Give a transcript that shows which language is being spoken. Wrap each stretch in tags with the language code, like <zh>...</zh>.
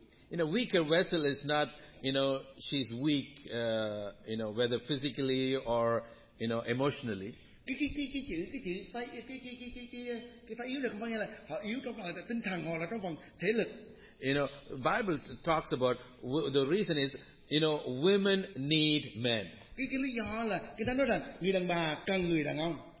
<en>You know, weaker vessel is not, you know, she's weak, you know, whether physically or, you know, emotionally.</en> <vi>Cái phái yếu này không có nghĩa là họ yếu trong phần tinh thần hoặc là trong phần thể lực.</vi> <en>You know, Bible talks about the reason is, you know, women need men.</en> <vi>Cái lý do là người ta nói rằng người đàn bà cần người đàn ông.</vi>